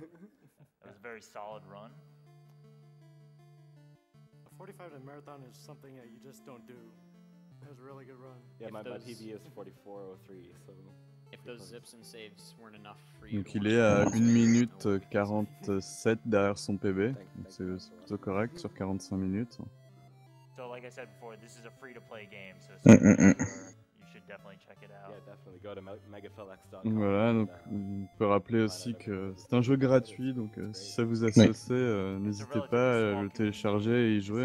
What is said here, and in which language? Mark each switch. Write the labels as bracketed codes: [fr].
[en] That was a very solid run. 45 in a marathon is something that you just don't do. It was a really good run. Yeah, my PB is 44.03, so. If those zips and saves weren't enough for [fr] you. Donc il est à 1 minute 47 derrière son PB. Donc c'est plutôt correct sur 45 minutes. [en] So like I said before, this is a free to play game, so you should definitely check it out. Yeah, definitely go to megaflex.com. [fr] Voilà, donc on peut rappeler aussi que c'est un jeu gratuit, donc si ça vous associe, oui. N'hésitez pas à le télécharger et y jouer.